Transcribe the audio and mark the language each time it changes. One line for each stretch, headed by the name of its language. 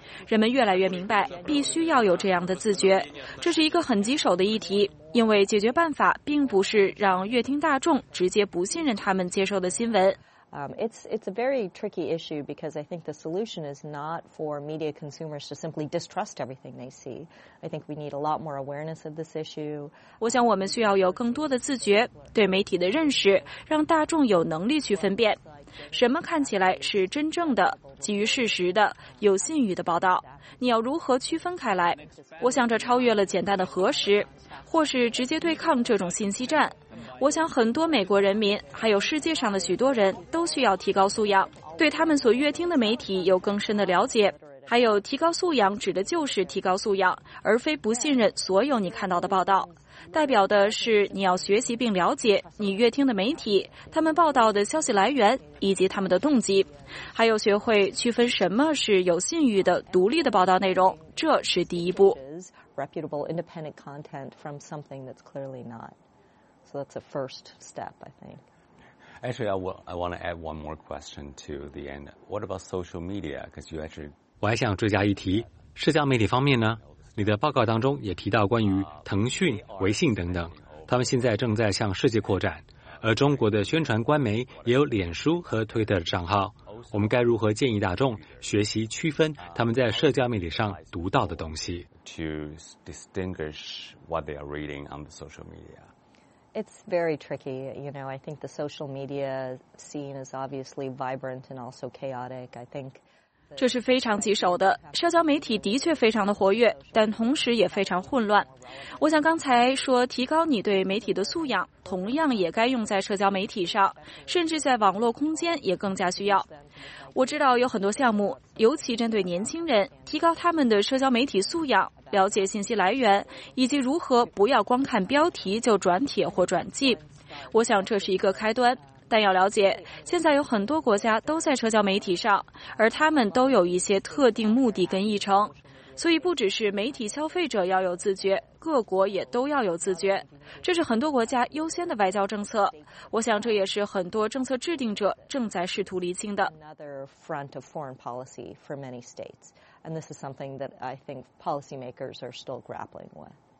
Chinese: 人们越来越明白，必须要有这样的自觉，这是一个很棘手的议题，因为解决办法并不是让乐听大众直接不信任他们接受的新闻。
English: It's a very tricky issue because I think the solution is not for media consumers to simply distrust everything they see. I think we need a lot more awareness of this issue.
Chinese: 我想我们需要有更多的自觉，对媒体的认识，让大众有能力去分辨什么看起来是真正的、基于事实的、有信誉的报道。你要如何区分开来？我想这超越了简单的核实，或是直接对抗这种信息战。我想很多美国人民，还有世界上的许多人都需要提高素养，对他们所阅听的媒体有更深的了解。还有提高素养指的就是提高素养，而非不信任所有你看到的报道。代表的是你要学习并了解你阅听的媒体，他们报道的消息来源以及他们的动机，还有学会区分什么是有信誉的独立的报道内容，这是第一步。
English: Reputable independent content from something that's clearly not. So that's a first step, I think. Actually, I want to add one more question to the end. What about social media? Because you actually
Chinese: 我还想追加一题，社交媒体方面呢？你的报告当中也提到关于腾讯、微信等等，他们现在正在向世界扩展，而中国的宣传官媒也有脸书和推特的账号。我们该如何建议大众学习区分他们在社交媒体上读到的东西？
English: To distinguish what they are reading on the social media. It's very tricky. You know, I think the social media scene is obviously vibrant and also chaotic. I think.
Chinese: 这是非常棘手的，社交媒体的确非常的活跃，但同时也非常混乱。我想刚才说提高你对媒体的素养，同样也该用在社交媒体上，甚至在网络空间也更加需要。我知道有很多项目，尤其针对年轻人，提高他们的社交媒体素养，了解信息来源，以及如何不要光看标题就转帖或转寄。我想这是一个开端。但要了解，现在有很多国家都在社交媒体上，而他们都有一些特定目的跟议程，所以不只是媒体消费者要有自觉，各国也都要有自觉，这是很多国家优先的外交政策。我想这也是很多政策制定者正在试图厘清的。
English: Another front of foreign policy for many states, and this is something that I think policymakers are still grappling with.